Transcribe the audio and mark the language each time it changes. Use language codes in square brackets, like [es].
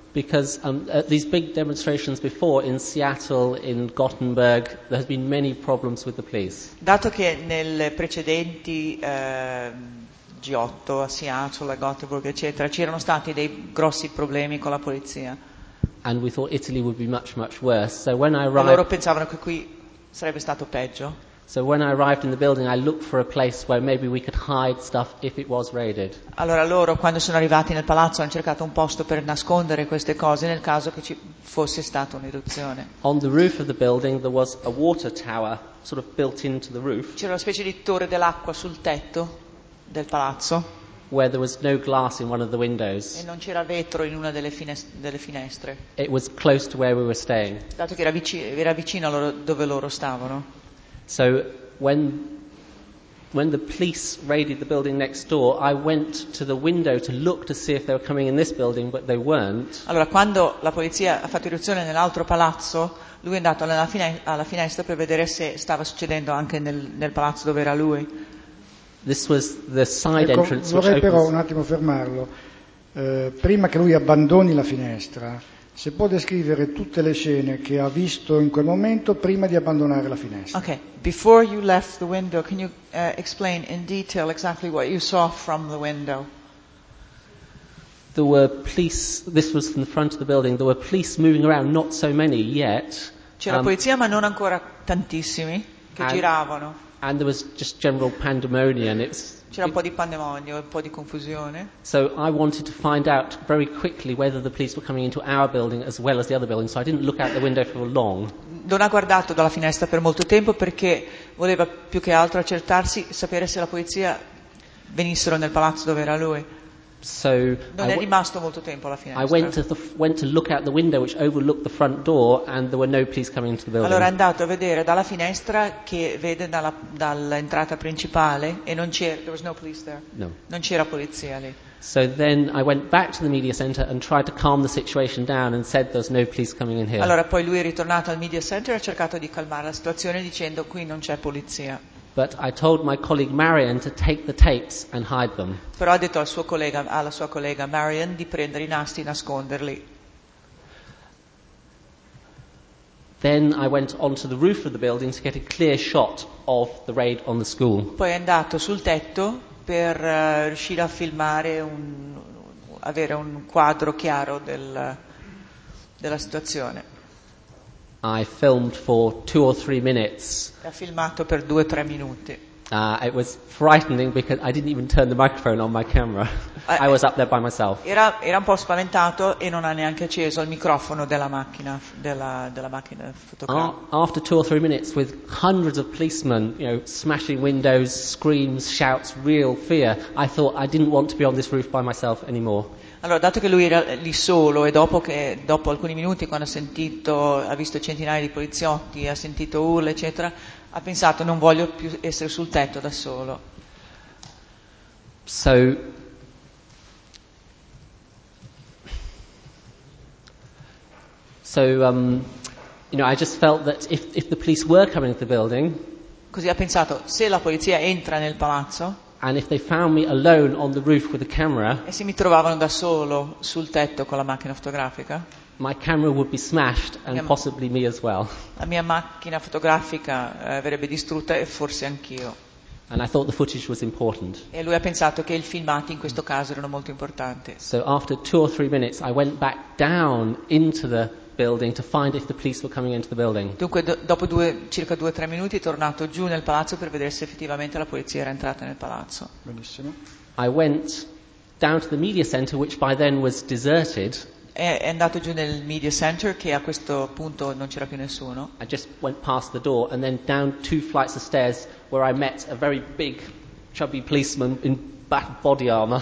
[en] Because at these big demonstrations before in Seattle, in Gothenburg, there has been many problems with the police. [it] Dato che nelle precedenti G8 a Seattle, a Gothenburg, eccetera, c'erano stati dei grossi problemi con la polizia. [en] And we thought Italy would be much, much worse. So when I arrived, [it] loro pensavano che qui sarebbe stato peggio. [en] So when I arrived in the building, I looked for a place where maybe we could hide stuff if it was raided. [it] Allora loro, quando sono arrivati nel palazzo, hanno cercato un posto per nascondere queste cose nel caso che ci fosse stata un'irruzione. [en] On the roof of the building, there was a water tower sort of built into the roof. [it] C'era una specie di torre dell'acqua sul tetto del palazzo. [en] Where there was no glass in one of the windows. [it] E non c'era vetro in una delle, delle finestre. [en] It was close to where we were staying. [it] Dato che era vicino a loro, dove loro stavano. [en] So when the police raided the building next door, I went to the window to look to see if they were coming in this building, but they weren't. [it] Allora, quando la polizia ha fatto irruzione nell'altro palazzo, lui è andato alla finestra per vedere se stava succedendo anche nel palazzo dove era lui. [en] This was the side entrance. [it] Ecco, vorrei però un attimo fermarlo. Prima che lui abbandoni la finestra, se può descrivere tutte le scene che ha visto in quel momento prima di abbandonare la finestra. [en] Okay. Before you left the window, can you explain in detail exactly what you saw from the window? There were police, this was from the front of the building, there were police moving around, not so many yet. [it] C'era polizia ma non ancora tantissimi che giravano. [en] And there was just general pandemonium. [it] C'era un po' di pandemonio, un po' di confusione. [en] So I wanted to find out very quickly whether the police were coming into our building as well as the other building, so I didn't look out the window for long. [it] Non ha guardato dalla finestra per molto tempo perché voleva più che altro accertarsi, sapere se la polizia venissero nel palazzo dove era lui. [en] So [it] non è rimasto molto tempo alla finestra. [en] I went to look out the window which overlooked the front door and there were no police coming into the building. [it] Allora è andato a vedere dalla finestra che vede dall'entrata principale e non c'era, [en] there was no police there. No. [it] Non c'era polizia lì. [en] So then I went back to the media center and tried to calm the situation down and said there's no police coming in here. [it] Allora poi lui è ritornato al media center e ha cercato di calmare la situazione dicendo qui non c'è polizia. [en] But I told my colleague Marion to take the tapes and hide them. [it] Però ha detto alla sua collega Marion di prendere i nastri e nasconderli. [en] Then I went onto the roof of the building to get a clear shot of the raid on the school. [it] Poi è andato sul tetto per riuscire a filmare avere un quadro chiaro della situazione. [en] I filmed for 2 or 3 minutes. [it] Ha filmato per 2 o 3 minuti. [en] It was frightening because I didn't even turn the microphone on my camera. I was up there by myself. [it] Era un po' spaventato e non ha neanche acceso il microfono della macchina fotografica. [en] After 2 or 3 minutes, with hundreds of policemen, you know, smashing windows, screams, shouts, real fear, I thought I didn't want to be on this roof by myself anymore. [it] Allora, dato che lui era lì solo e dopo alcuni minuti, quando ha visto centinaia di poliziotti, ha sentito urla, eccetera, ha pensato non voglio più essere sul tetto da solo. [en] So you know, I just felt that if the police were coming to the building. [it] Così ha pensato, se la polizia entra nel palazzo. [en] And if they found me alone on the roof with the camera. [it] E se mi trovavano da solo sul tetto con la macchina fotografica. [en] My camera would be smashed and possibly me as well. [it] La mia macchina fotografica verrebbe distrutta e forse anch'io. [en] And I thought the footage was important. [it] E lui ha pensato che i filmati in questo caso erano molto importanti. [en] So after 2 or 3 minutes I went back down into the building to find if the police were coming into the building. [it] Dunque dopo circa 2 o 3 minuti è tornato giù nel palazzo per vedere se effettivamente la polizia era entrata nel palazzo. Benissimo. [en] I went down to the media center which by then was deserted. [it] È andato giù nel media center che a questo punto non c'era più nessuno. [en] I just went past the door and then down 2 flights of stairs where I met a very big chubby policeman in body armor.